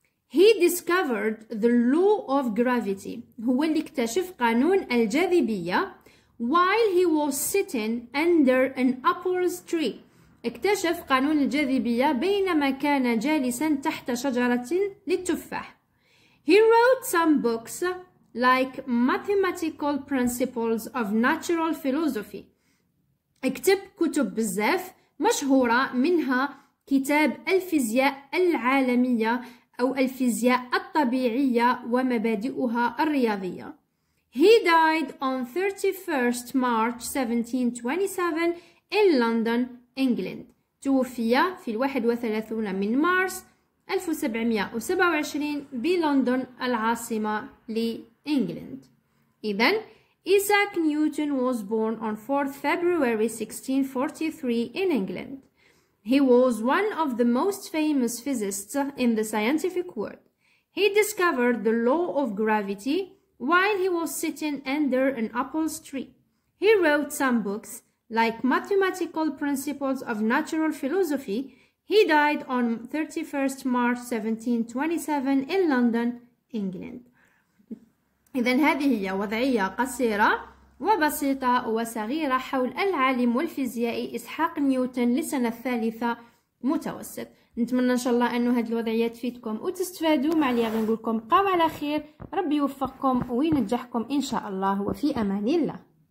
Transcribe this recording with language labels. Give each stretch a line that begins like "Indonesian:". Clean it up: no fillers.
English: He discovered the law of gravity.
Arabic: هو اللي اكتشف قانون الجاذبية.
English: While he was sitting under an apple tree.
Arabic: اكتشف قانون الجاذبية بينما كان جالسا تحت شجرة للتفاح.
English: He wrote some books like Mathematical Principles of Natural Philosophy.
Arabic: اكتب كتب بزاف مشهورة، منها كتاب الفيزياء العالمية أو الفيزياء الطبيعية ومبادئها الرياضية.
English: He died on 31st March 1727 in London, England.
Arabic: توفي في 31 من مارس 1727 بلندن العاصمة لإنجلند.
English: إذن Isaac Newton was born on 4th February 1643 in England. He was one of the most famous physicists in the scientific world. He discovered the law of gravity while he was sitting under an apple tree. He wrote some books like Mathematical Principles of Natural Philosophy. He died on 31st March 1727 in London, England.
Arabic: إذا هذه هي وضعية قصيرة وبسيطة وصغيرة حول العالم والفيزيائي إسحاق نيوتن لسنة الثالثة متوسط. نتمنى إن شاء الله أنه هذه الوضعية تفيدكم وتستفادوا. مع اللي نقول لكم قوموا على خير، ربي يوفقكم وينجحكم إن شاء الله، وفي أمان الله.